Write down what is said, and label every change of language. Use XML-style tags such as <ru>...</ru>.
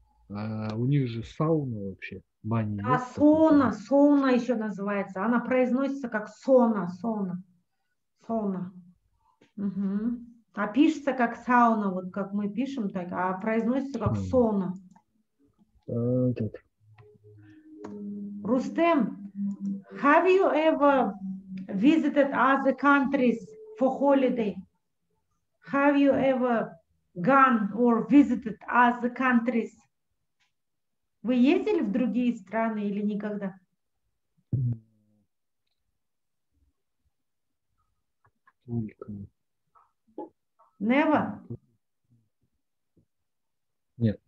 <ru>А у них же сауна вообще. Баня. А сона, такой? Сона еще называется. Она произносится как сона, сона. Сона. Угу. А пишется как сауна, вот как мы пишем, так, а произносится как сона. Этот.</ru> <en>Рустем, have you ever visited other countries for holiday? Have you ever gone or visited other countries?</en> <ru>Вы ездили в другие страны или никогда? Только.</ru> <en>Never?</en> <ru>Нет.</ru>